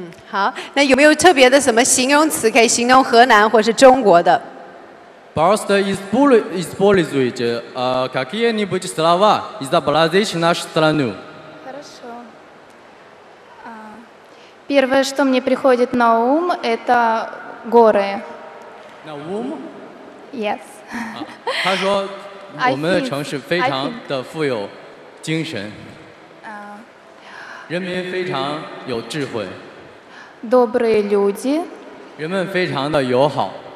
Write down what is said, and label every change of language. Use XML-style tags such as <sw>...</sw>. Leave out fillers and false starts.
<zh>好，那有没有特别的什么形容词可以形容河南或是中国的？</zh> <ru>Просто используйте какие-нибудь слова изобразить нашу страну. Хорошо. Первое, что мне приходит на ум, это горы. На ум?</ru> <en>Yes.</en> <zh>他说我们的城市非常的富有精神.</zh> <en>Think</en> <zh>人民非常有智慧.</zh> <ru>Добрые люди.</ru> <zh>人们非常的友好.</zh>